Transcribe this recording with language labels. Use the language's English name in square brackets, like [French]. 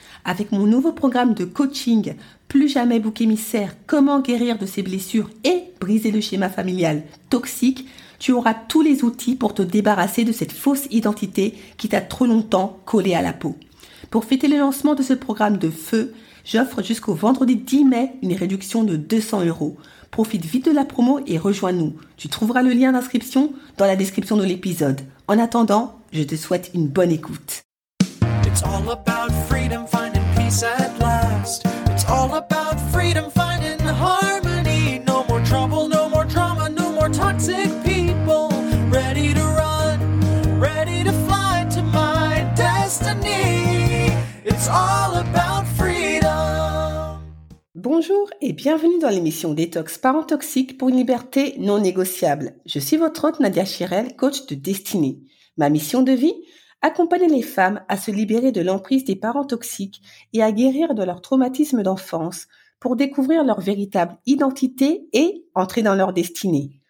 [French] Avec mon nouveau programme de coaching « Plus jamais bouc émissaire, comment guérir de ses blessures et briser le schéma familial toxique », tu auras tous les outils pour te débarrasser de cette fausse identité qui t'a trop longtemps collé à la peau. Pour fêter le lancement de ce programme de feu, j'offre jusqu'au vendredi 10 mai une réduction de 200 €. Profite vite de la promo et rejoins-nous. Tu trouveras le lien d'inscription dans la description de l'épisode. En attendant, je te souhaite une bonne écoute. [English] It's all about freedom, finding peace at last. It's all about freedom, finding harmony. No more trouble, no more drama, no more toxic people. Ready to run, ready to fly to my destiny. It's all about freedom. [French] Bonjour et bienvenue dans l'émission Détox Parents Toxiques pour une liberté non négociable. Je suis votre hôte Nadia Chirel, coach de destinée. Ma mission de vie? Accompagner les femmes à se libérer de l'emprise des parents toxiques et à guérir de leur traumatisme d'enfance pour découvrir leur véritable identité et entrer dans leur destinée.